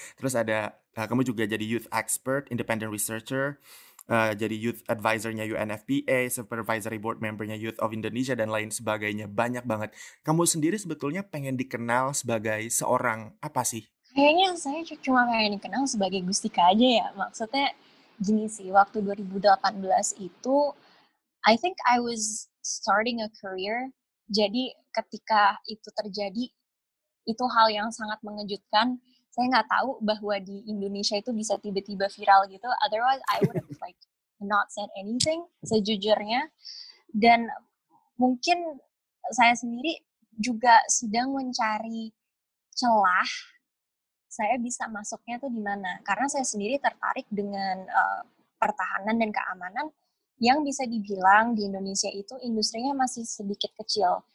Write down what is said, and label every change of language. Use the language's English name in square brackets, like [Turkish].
[Indonesian] Terus ada, kamu juga jadi youth expert, independent researcher, jadi youth advisor-nya UNFPA, supervisory board member- nya Youth of Indonesia, dan lain sebagainya. Banyak banget. Kamu sendiri sebetulnya pengen dikenal sebagai seorang apa sih? Kayaknya saya cuma pengen dikenal sebagai Gustika aja ya. [English] Maksudnya gini sih, waktu 2018 itu, I think I was starting a career. [Indonesian] Jadi ketika itu terjadi, itu hal yang sangat mengejutkan. Saya nggak tahu bahwa di Indonesia itu bisa tiba-tiba viral gitu. [English] Otherwise, I would have like not said anything, sejujurnya. [Indonesian] Dan mungkin saya sendiri juga sedang mencari celah saya bisa masuknya tuh di mana. Karena saya sendiri tertarik dengan pertahanan dan keamanan yang bisa dibilang di Indonesia itu industrinya masih sedikit kecil.